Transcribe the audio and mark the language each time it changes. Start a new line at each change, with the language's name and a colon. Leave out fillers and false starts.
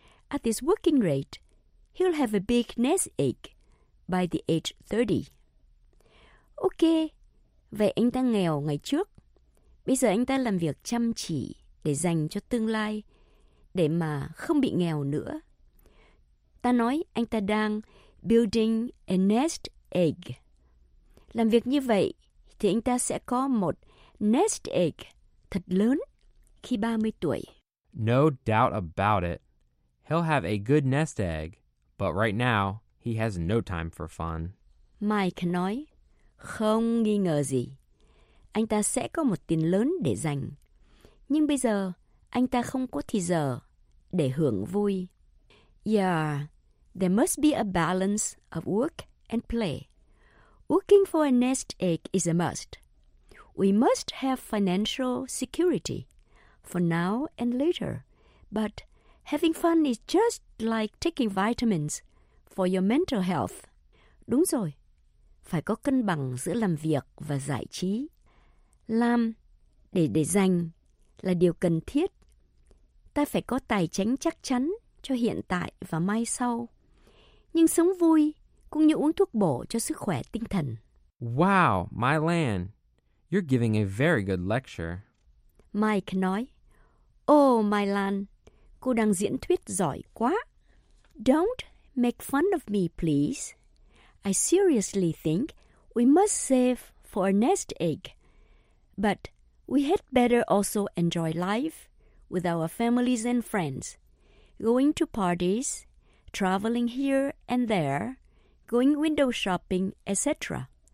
English: At this working rate, he'll have a big nest egg by the age 30.
Vietnamese: Okay, vậy anh ta nghèo ngày trước. Bây giờ anh ta làm việc chăm chỉ để dành cho tương lai, để mà không bị nghèo nữa. Ta nói anh ta đang
English: building a nest egg.
Vietnamese: Làm việc như vậy thì anh ta sẽ có một nest egg thật lớn. Khi 30 tuổi.
English: No doubt about it. He'll have a good nest egg, but right now, he has no time for fun.
Vietnamese: Mike nói, không nghi ngờ gì. Anh ta sẽ có một tiền lớn để dành. Nhưng bây giờ, anh ta không có thì giờ để hưởng vui.
English: Yeah, there must be a balance of work and play. Working for a nest egg is a must. We must have financial security. For now and later. But having fun is just like taking vitamins for your mental health.
Vietnamese: Đúng rồi. Phải có cân bằng giữa làm việc và giải trí. Làm để dành là điều cần thiết. Ta phải có tài chính chắc chắn cho hiện tại và mai sau. Nhưng sống vui cũng như uống thuốc bổ cho sức khỏe tinh thần.
English: Wow, My Lan, you're giving a very good lecture.
Vietnamese: Mike nói, Oh, My Lan, cô đang diễn thuyết giỏi quá.
English: Don't make fun of me, please. I seriously think we must save for a nest egg. But we had better also enjoy life with our families and friends. Going to parties, traveling here and there, going window shopping, etc.